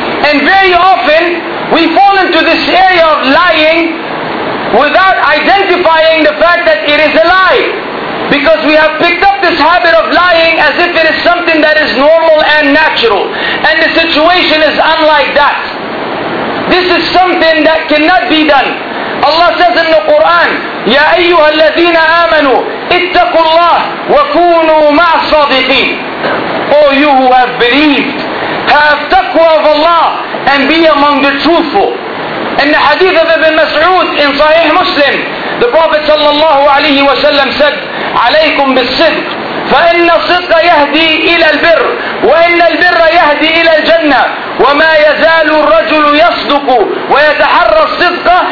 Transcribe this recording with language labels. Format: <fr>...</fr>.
<en>And very often, we fall into this area of lying without identifying the fact that it is a lie. Because we have picked up this habit of lying as if it is something that is normal and natural. And the situation is unlike that. This is something that cannot be done. Allah says in the Quran,</en> <ar>يَا أَيُّهَا الَّذِينَ آمَنُوا اتَّقُوا اللَّهِ وَكُونُوا مَعَ الصَّادِقِينَ.</ar> <en>All you who have believed, have taqwa of Allah and be among the truthful. In the hadith of Ibn Mas'ud in Sahih Muslim, the Prophet sallallahu alayhi wa sallam said,</en> <ar>عَلَيْكُمْ بِالصِّدْقِ فَإِنَّ الصِّدْقَ يَهْدِي إِلَى الْبِرِّ وَإِنَّ الْبِرَّ يَهْدِي إِلَى الْجَنَّةِ وَمَا يَزَالُ الرَّجُلُ يَصْدُقُ وَيَتَحَرَّ الصِّدْقَ</ar>